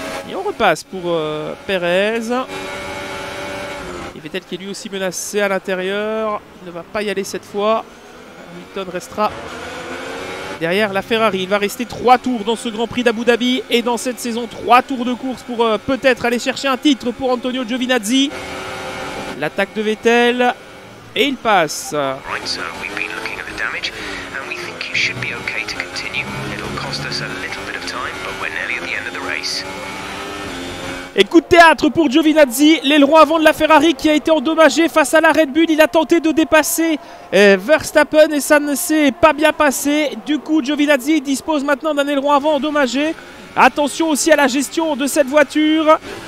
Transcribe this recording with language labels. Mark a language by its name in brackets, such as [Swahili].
[French] Et on repasse pour Perez. Et Vettel qui est lui aussi menacé à l'intérieur. Il ne va pas y aller cette fois. Hamilton restera derrière la Ferrari. Il va rester 3 tours dans ce Grand Prix d'Abu Dhabi. Et dans cette saison, 3 tours de course pour peut-être aller chercher un titre pour Antonio Giovinazzi. L'attaque de Vettel. Et il passe. [English] Right, sir, we've been looking at the damage and we think you should be okay to continue. It'll cost us a little bit of time, but we're nearly at the end of the race. [French] Et coup de théâtre pour Giovinazzi, l'aileron avant de la Ferrari qui a été endommagé face à la Red Bull. Il a tenté de dépasser Verstappen et ça ne s'est pas bien passé. Du coup, Giovinazzi dispose maintenant d'un aileron avant endommagé. Attention aussi à la gestion de cette voiture.